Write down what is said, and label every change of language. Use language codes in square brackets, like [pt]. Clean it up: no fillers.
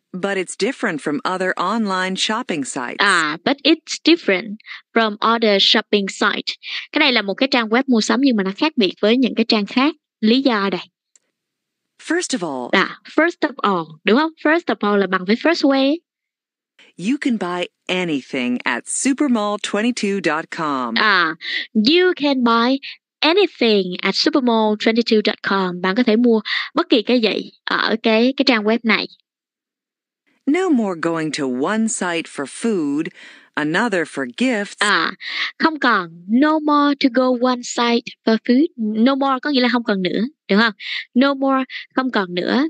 [en] But it's different from other online shopping sites. À, but it's different from other shopping sites. [vi] Cái này là một cái trang web mua sắm nhưng mà nó khác biệt với những cái trang khác. Lý do đây. [en] First of all. À, first of all, [vi] đúng không? [en] First of all [vi] là bằng với [en] first way. You can buy anything at supermall22.com. À, you can buy anything at supermall22.com. [vi] Bạn có thể mua bất kỳ cái gì ở cái trang web này. [en] No more going to one site for food, another for gifts. À, [vi] không còn. [en] No more to go one site for food. [vi] No more có nghĩa là không còn nữa, đúng không? No more, không còn nữa.